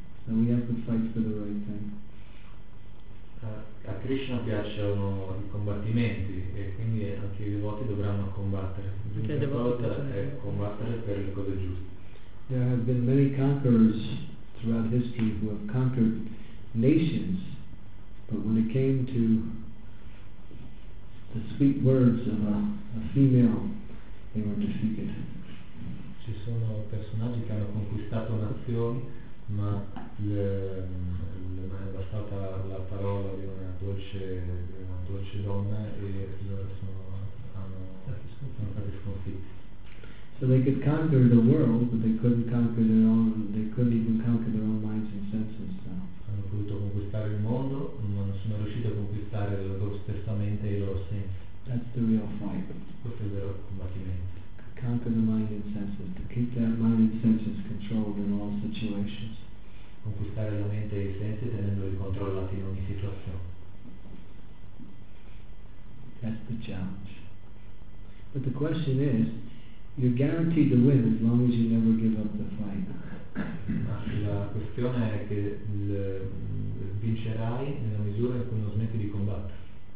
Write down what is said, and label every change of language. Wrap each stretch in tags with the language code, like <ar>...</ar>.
<en>So we have to fight for the right thing.</en> <it>A Krishna piacciono i combattimenti e quindi anche i devoti dovranno combattere. L'unica volta è combattere per le cose giuste.</it> <en>There have been many conquerors throughout history who have conquered nations, but when it came to the sweet words of a female, they were defeated.</en> <it>Ci sono personaggi che hanno conquistato nazioni, ma non è bastata la parola di una dolce donna e loro hanno stati sconfitti.</it> <en>So they could conquer the world, but they couldn't conquer their own. They couldn't even conquer their own minds and senses. So.</en> <it>Hanno potuto conquistare il mondo, ma non sono riusciti a conquistare la loro stessa mente e i loro sensi.</it> <en>That's the real fight.</en> <it>Questo è il vero combattimento.</it> <en>Conquer the mind and senses, to keep that mind and senses controlled in all situations.</en> <it>Conquistare la mente e i sensi tenendoli controllati in ogni situazione.</it> <en>That's the challenge. But the question is, you're guaranteed to win as long as you never give up the fight.</en> <it>Ma la questione è che vincerai nella misura in cui non smetti di combattere.</it>